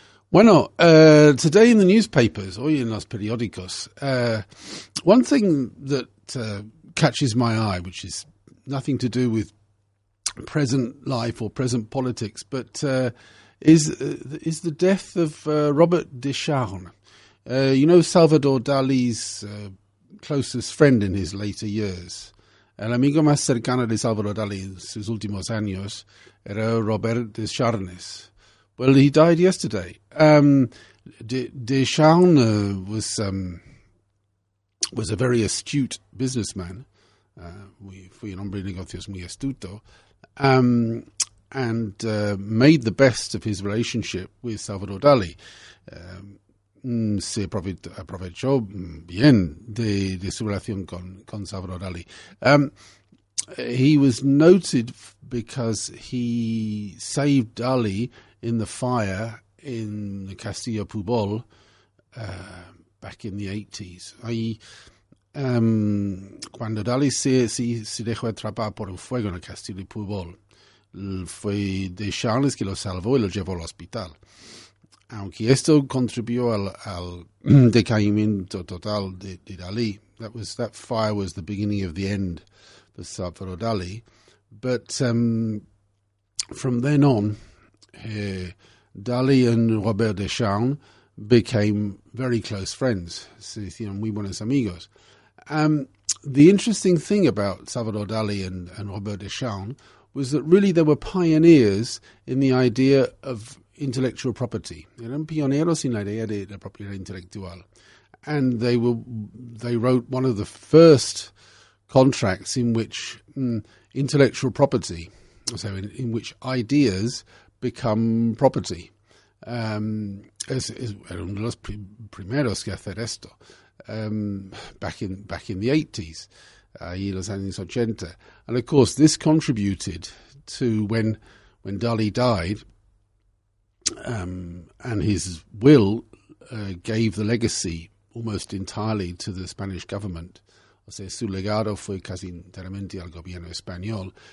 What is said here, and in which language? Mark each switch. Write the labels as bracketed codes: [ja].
[en] Bueno, today in the newspapers, [es] hoy en los periódicos, [en] one thing that catches my eye, which is nothing to do with present life or present politics, but is the death of Robert de Charme. You know Salvador Dali's closest friend in his later years. [es] El amigo más cercano de Salvador Dali en sus últimos años era Robert de Charnes. [en] Well, he died yesterday. De Charnes was a very astute businessman. [es] Fue un hombre de negocios muy astuto. [en] And made the best of his relationship with Salvador Dali. [es] Se aprovechó bien de su relación con Salvador Dali. [en] He was noted because he saved Dali in the fire in the Castillo Pujol back in the 80s. [es] Ahí, cuando Dali se dejó atrapar por el fuego en el Castillo Pujol, fue de Charles que lo salvó y lo llevó al hospital. Aunque esto contribuyó al decaimiento total de Dalí, [en] that fire was the beginning of the end for Salvador Dalí. But from then on, Dalí and Robert de Charnes became very close friends. [es] Se hicieron muy buenos amigos. [en] The interesting thing about Salvador Dalí and Robert de Charnes was that really they were pioneers in the idea of intellectual property. [es] Eran pioneros en la idea de la propiedad intelectual. [en] And they wrote one of the first contracts in which intellectual property, so in which ideas become property. [es] Eran de los primeros que hacer esto [en] back in the 80s. [es] ahí en los años 80. [en] And of course, this contributed to when Dalí died, and his will gave the legacy almost entirely to the Spanish government. [es] O sea, su legado fue casi enteramente al gobierno español.